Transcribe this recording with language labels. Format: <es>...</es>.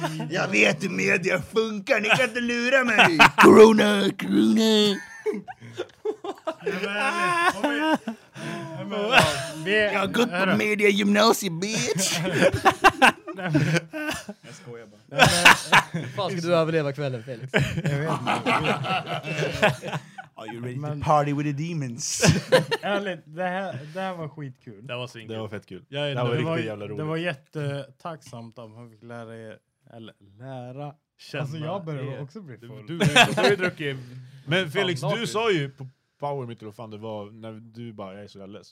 <sv>Jag vet hur media funkar, ni kan inte lura mig. Corona, corona. Jag har gått på media gymnasiet, bitch. Jag skojar bara. Fan, ska du överleva kvällen, Felix?</sv> <en>Are you ready to party with the demons?</en> <sv>Ärligt, det här var skitkul. Det var så inkul. Det var fett kul. Det var riktigt jävla roligt. Det var jättetacksamt om jag fick lära er, eller lära. Alltså jag började också bli full. Du har ju druckit. Men Felix, du sa ju på Power Meter och fan, det var när du bara, jag är så jävles.</sv>